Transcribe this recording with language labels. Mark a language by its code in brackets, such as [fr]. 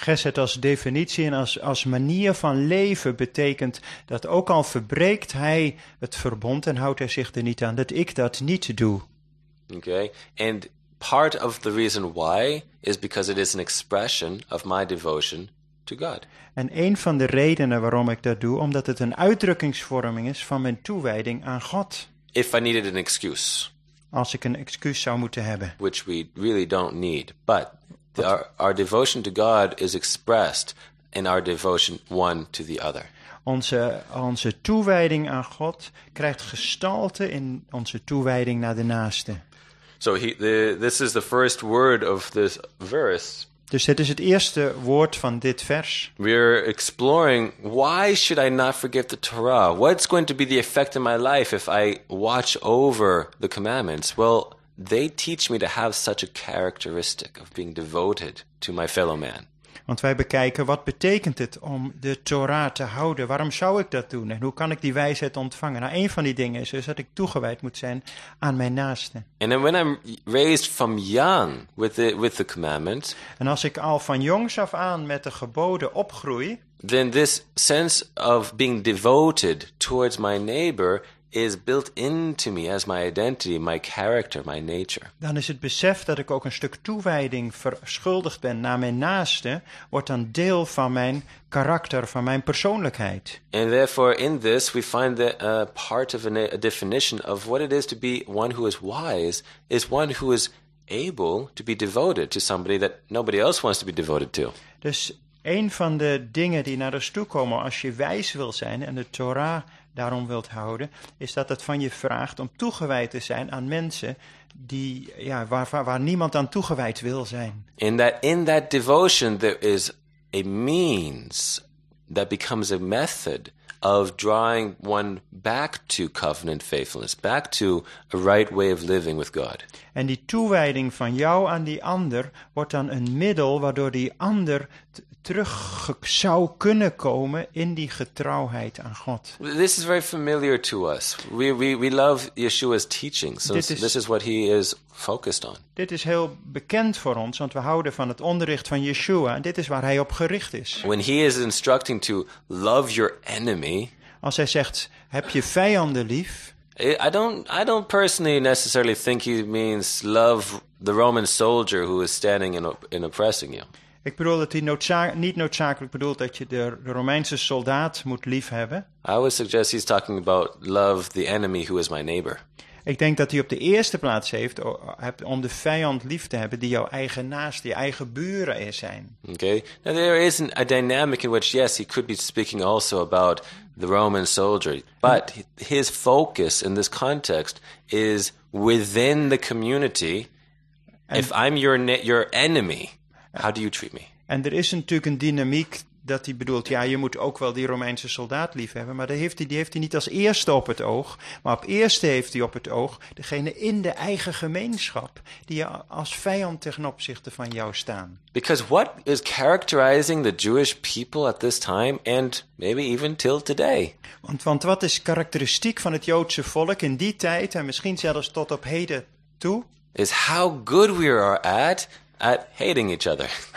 [nl] Gesed als definitie en als manier van leven betekent dat ook al verbreekt hij het verbond en houdt hij zich er niet aan, dat ik dat niet doe. [en] Okay, and part of the reason why is because it is an expression of my devotion to God. [nl] En een van de redenen waarom ik dat doe, omdat het een uitdrukkingsvorming is van mijn toewijding aan God. [en] If I needed an excuse. [nl] Als ik een excuus zou moeten hebben. [en] Which we really don't need. But our devotion to God is expressed in our devotion one to the other. [nl] Onze toewijding aan God krijgt gestalte in onze toewijding naar de naaste. [en] So this is the first word of this verse. [nl] Dus dit is het eerste woord van dit vers. [en] We're exploring why should I not forgive the Torah? What's going to be the effect in my life if I watch over the commandments? Well, they teach me to have such a characteristic of being devoted to my fellow man. [nl] Want wij bekijken wat betekent het om de Torah te houden? Waarom zou ik dat doen? En hoe kan ik die wijsheid ontvangen? Nou, een van die dingen is dus dat ik toegewijd moet zijn aan mijn naaste. [en] And then when I'm raised from young with the commandments. [nl] En als ik al van jongs af aan met de geboden opgroei. [en] Then this sense of being devoted towards my neighbor is built into me as my identity, my character, my nature. [nl] Dan is het besef dat ik ook een stuk toewijding verschuldigd ben naar mijn naaste, wordt dan deel van mijn karakter, van mijn persoonlijkheid. [en] And therefore in this we find that part of a definition of what it is to be one who is wise is one who is able to be devoted to somebody that nobody else wants to be devoted to. [nl] Dus een van de dingen die naar ons toe komen als je wijs wil zijn en de Torah daarom wilt houden, is dat het van je vraagt om toegewijd te zijn aan mensen die waar niemand aan toegewijd wil zijn. [en] In that devotion there is a means that becomes a method of drawing one back to covenant faithfulness, back to a right way of living with God. [nl] En die toewijding van jou aan die ander wordt dan een middel waardoor die ander terug zou kunnen komen in die getrouwheid aan God. [en] This is very familiar to us. We love Yeshua's teaching, so this is what he is focused on. [nl] Dit is heel bekend voor ons, want we houden van het onderricht van Yeshua, en dit is waar hij op gericht is. [en] When he is instructing to love your enemy. [nl] Als hij zegt, heb je vijanden lief? [en] I don't personally necessarily think he means love the Roman soldier who is standing and oppressing you. [nl] Ik bedoel dat hij niet noodzakelijk bedoelt dat je de Romeinse soldaat moet liefhebben. [en] I would suggest he's talking about love the enemy who is my neighbor. [nl] Ik denk dat hij op de eerste plaats heeft om de vijand lief te hebben die jouw eigen naaste, je eigen buren is zijn. [en] Okay. Now there is a dynamic in which yes, he could be speaking also about the Roman soldier, but his focus in this context is within the community. If I'm your enemy, how do you treat me? [nl] En er is natuurlijk een dynamiek dat hij bedoelt, ja, je moet ook wel die Romeinse soldaat liefhebben. Maar die heeft hij niet als eerste op het oog. Maar op eerste heeft hij op het oog degene in de eigen gemeenschap die als vijand ten opzichte van jou staan. [en] Because what is characterizing the Jewish people at this time and maybe even till today? [nl] Want wat is karakteristiek van het Joodse volk in die tijd en misschien zelfs tot op heden toe? [en] Is how good we are at hating each other.